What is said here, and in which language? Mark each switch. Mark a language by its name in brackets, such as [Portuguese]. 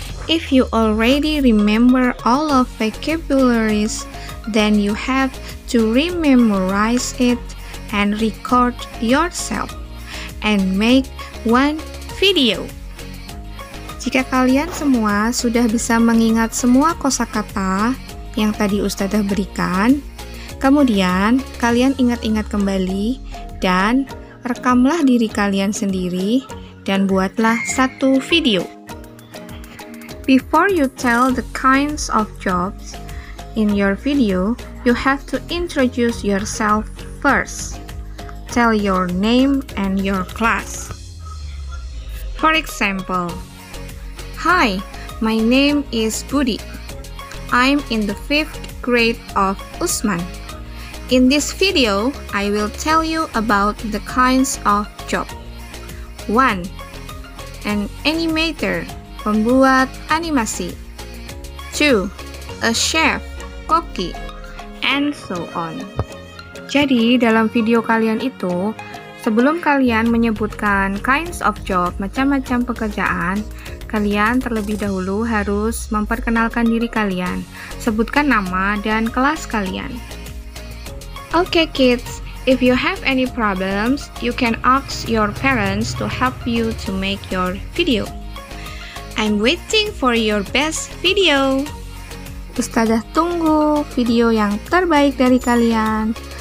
[English] If you already remember all of vocabularies, then you have to rememorize it and record yourself and make one video. [Indonesian] Jika kalian semua sudah bisa mengingat semua kosakata yang tadi Ustazah berikan, kemudian kalian ingat-ingat kembali dan rekamlah diri kalian sendiri dan buatlah satu video. [English] Before you tell the kinds of jobs in your video, you have to introduce yourself first. Tell your name and your class. For example, Hi, my name is Budi. I'm in the 5th grade of Usman. In this video, I will tell you about the kinds of job. 1. An animator, [Indonesian] pembuat animasi. [English] 2. A chef, koki. And so on. [Indonesian] Jadi, dalam video kalian itu, sebelum kalian menyebutkan [English] kinds of job, [Indonesian] macam-macam pekerjaan, kalian terlebih dahulu harus memperkenalkan diri kalian, sebutkan nama dan kelas kalian. [English] Okay kids, if you have any problems, you can ask your parents to help you to make your video. I'm waiting for your best video. [Indonesian] Ustazah tunggu video yang terbaik dari kalian.